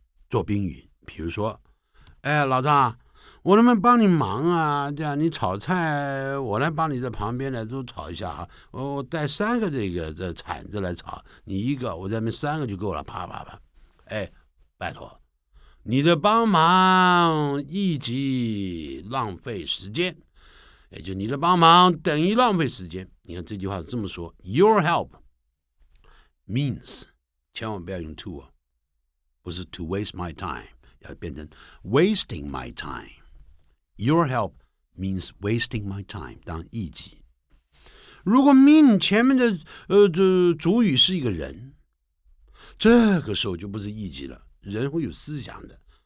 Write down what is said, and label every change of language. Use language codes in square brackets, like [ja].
[zh] 做宾语，比如说哎，老张我能不能帮你忙啊，这样你炒菜我来帮你在旁边来都炒一下啊，我带三个这铲子来炒，你一个我在那边三个就够了，啪啪啪，哎，拜托你的帮忙一级浪费时间，也就你的帮忙等于浪费时间。你看这句话是这么说 ， [en] Your help means， [zh] 千万不要用 to 哦，不是 [en] to waste my time, [zh] 要变成 [en] wasting my time. Your help means wasting my time, [zh] 当意及。如果 mean 前面的主语是一个人，这个时候就不是意及了，人会有思想的，